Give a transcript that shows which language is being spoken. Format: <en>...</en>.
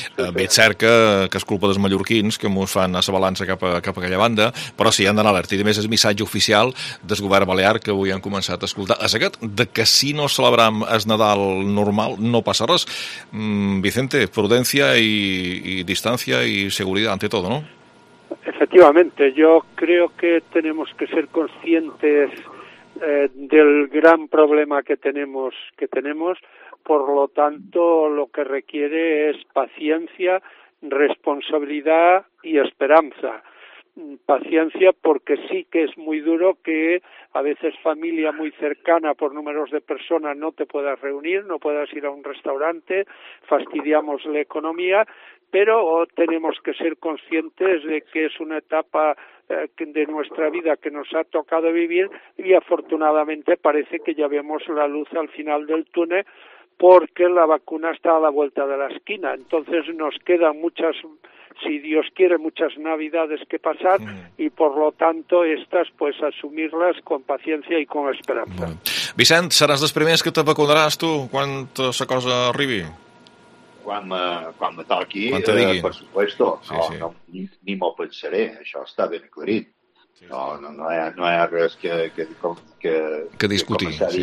<ca>Bé, és cert que és culpa dels mallorquins que ens fan la balança cap a aquella banda, però sí, han d'anar alerta. I, a més, és missatge oficial del govern balear que avui han començat a escoltar. És aquest, que si no celebram el Nadal normal, no passa res. Vicente, prudència i distància i seguretat ante tot, no?</ca> <es>Efectivamente, yo creo que tenemos que ser conscientes del gran problema que tenemos, por lo tanto, lo que requiere es paciencia, responsabilidad y esperanza. Paciencia porque sí que es muy duro que a veces familia muy cercana por números de personas no te puedas reunir, no puedas ir a un restaurante, fastidiamos la economía, pero tenemos que ser conscientes de que es una etapa de nuestra vida que nos ha tocado vivir y afortunadamente parece que ya vemos la luz al final del túnel porque la vacuna está a la vuelta de la esquina. Entonces nos quedan muchas, si Dios quiere, muchas navidades que pasar y por lo tanto estas pues asumirlas con paciencia y con esperanza. Bueno.</es> <ca>Vicent, seràs dels primers que te vacunaràs tu quan la cosa arribi? Quan me toqui, per</ca> <es>supuesto,</es> <ca>sí, sí. No, ni m'ho pensaré, això està ben aclarit. Sí, sí. No hi ha res que discutir.</ca>